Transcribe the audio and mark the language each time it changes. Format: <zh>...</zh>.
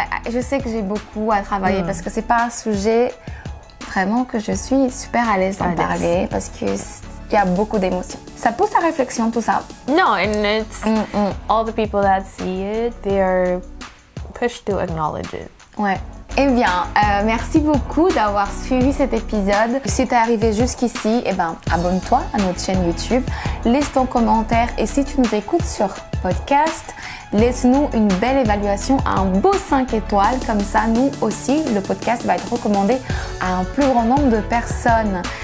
<fr>Je sais que j'ai beaucoup à travailler parce que c'est pas un sujet vraiment que je suis super à l'aise d'en parler parce que il y a beaucoup d'émotions. Ça pousse à réflexion tout ça.</fr> <en>Non, and it's all the people that see it, they are pushed to acknowledge it.</en> <fr>Ouais. Eh bien, merci beaucoup d'avoir suivi cet épisode. Si t'es arrivé jusqu'ici, eh ben abonne-toi à notre chaîne YouTube, laisse ton commentaire et si tu nous écoutes sur podcast, laisse-nous une belle évaluation, un beau 5 étoiles, comme ça nous aussi, le podcast va être recommandé à un plus grand nombre de personnes.</fr>